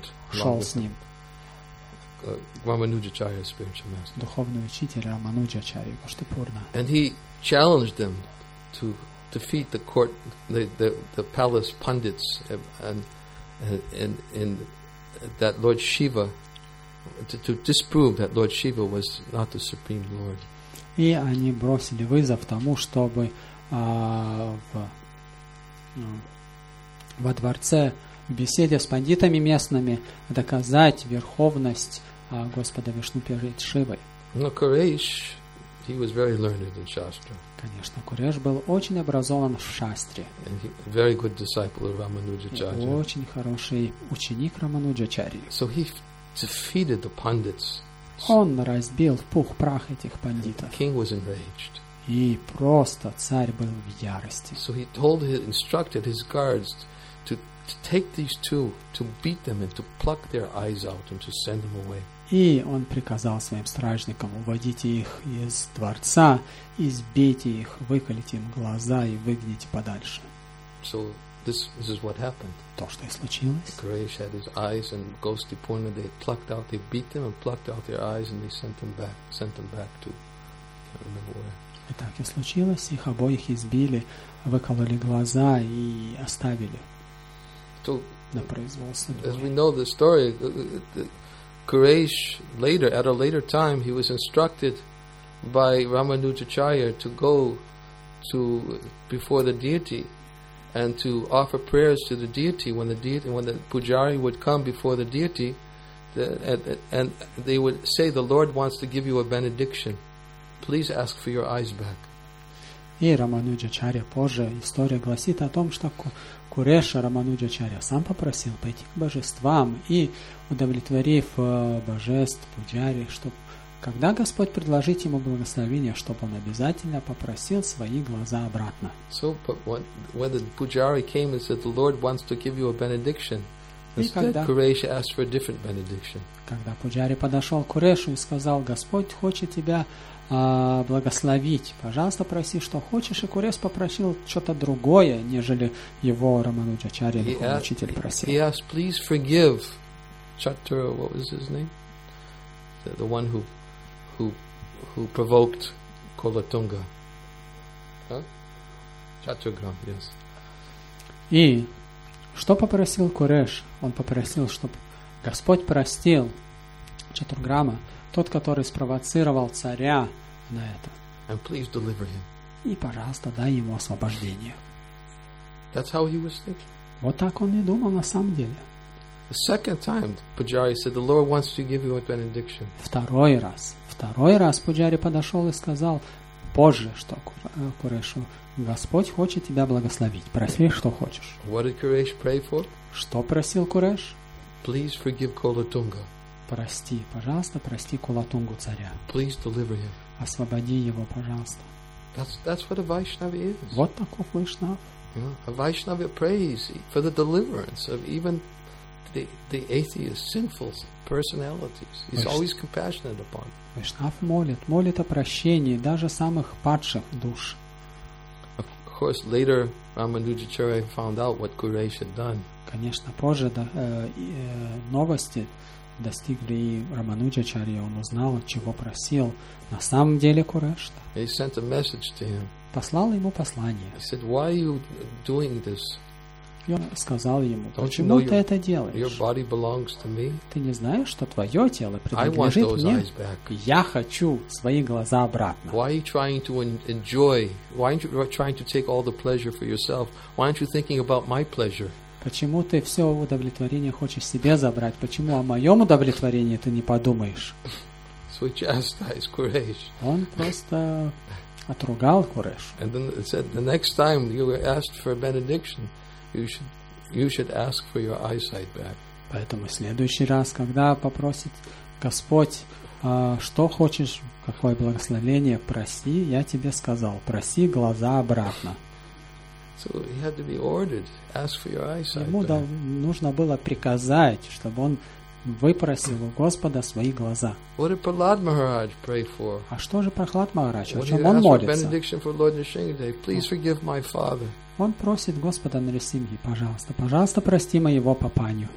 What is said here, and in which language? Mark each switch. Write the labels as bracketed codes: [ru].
[ru] шел с ним. [en] Рамануджачарья's spiritual master. [ru] Духовный учитель Рамануджачарья Гоштипурна. [en] And he challenged them to defeat the court, the palace pundits, and that Lord Shiva, to disprove that Lord Shiva was not the supreme Lord. [ru] И они бросили вызов тому, чтобы во дворце в беседе с пандитами местными доказать верховность Господа Вишну перед Шивой. [en] Но Куреш, he was very learned in Shastra. [ru] Конечно, Куреш был очень образован в шастре. [en] And he, very good disciple of Рамануджачарьи. [ru] Очень хороший ученик Рамануджачарьи. [en] So he defeated the pundits. [ru] Он разбил в пух прах этих пандитов. [en] The king was enraged. [ru] И просто царь был в ярости. [en] So he told his, instructed his guards to take these two, to beat them and to pluck their eyes out and to send them away. [ru] И он приказал своим стражникам уводить их из дворца, избить их, выколить им глаза и выгнать подальше. [en] So this is what happened. [ru] То, что и случилось. [en] Kuresh had his eyes and Gostipurna, they plucked out, they beat them and plucked out their eyes and they sent them back to, I can't remember where. [ru] И так и случилось. Их обоих избили, выкололи глаза и оставили на произвол судьбы. [en] As we know the story, Kuresh, later, at a later time, he was instructed by Ramanujacharya to go to before the deity and to offer prayers to the deity. When the pujari would come before the deity, and they would say, "The Lord wants to give you a benediction. Please ask for your eyes back." [ru] И Рамануджачарья позже, история гласит о том, что Куреша Рамануджачарья сам попросил пойти к божествам и, удовлетворив божеств Пуджари, чтобы, когда Господь предложит ему благословение, чтобы он обязательно попросил свои глаза обратно. [en] So, but when the Pujari came and said, "The Lord wants to give you a benediction," Куреша asked for a different benediction. [ru] Когда Пуджари подошел к Курешу и сказал, "Господь хочет тебя благословить. Пожалуйста, проси, что хочешь." И Куреш попросил что-то другое, нежели его Рамануджачарья, духовный учитель, просил. [en] He asked, "Please forgive Chatura, what was his name? The one who provoked Kulutunga. Чатурграм, yes. [ru] И что попросил Куреш? Он попросил, чтобы Господь простил Чатурграма, тот, который спровоцировал царя на это. [en] And please deliver him. [ru] И, пожалуйста, дай ему освобождение. [en] That's how he was thinking. [ru] Вот так он и думал на самом деле. [en] The second time, Pujari said, "The Lord wants to give you a benediction." [ru] Второй раз Пуджари подошел и сказал: "Боже, что Курешу, Господь хочет тебя благословить. Проси, что хочешь." [en] What did Куреш pray for? [ru] Что просил Куреш? [en] Please forgive Kulatunga. [ru] Прости, пожалуйста, прости Кулатунгу царя. [en] Please deliver him. [ru] Освободи его, пожалуйста. [en] That's what a Vaishnava is. [ru] Вот таков Вайшнав. [en] Yeah, a Vaishnava prays for the deliverance of even the atheist, sinful personalities. He's always compassionate upon. [ru] Вайшнав молит о прощении даже самых падших душ. [en] Of course, later Рамануджачарья found out what Куреш had done. [ru] Конечно, позже новости достигли и Рамануджачарья, он узнал, чего просил на самом деле Куреш. [en] He sent a message to him. [ru] Послал ему послание. [en] He said, "Why are you doing this?" [ru] И он сказал ему: "Почему ты это делаешь? [en] Your body belongs to me? [ru] Ты не знаешь, что твое тело принадлежит мне? Я хочу свои глаза обратно. [en] Why are you trying to enjoy? Why aren't you trying to take all the pleasure for yourself? Why aren't you thinking about my pleasure?" [ru] Почему ты все удовлетворение хочешь себе забрать? Почему о моем удовлетворении ты не подумаешь? [en] So he chastised Куреш. [ru] Он просто отругал Куреш. [en] And then it said, the next time you were asked for a benediction, you should ask for your eyesight back. [ru] Поэтому в следующий раз, когда попросит Господь, что хочешь, какое благословение, проси, я тебе сказал, проси глаза обратно. [en] So he had to be ordered, ask for your eyesight. [ru] Ему нужно было приказать, чтобы он выпросил у Господа свои глаза. [en] What did Prahlad Maharaj pray for? [ru] А что же Прохлад Махарадж, о чем он молится? [en] Benediction for Lord Nrisimhadeva. Please forgive my father. [ru] Он просит Господа Нарисимхи, пожалуйста, прости моего папаню.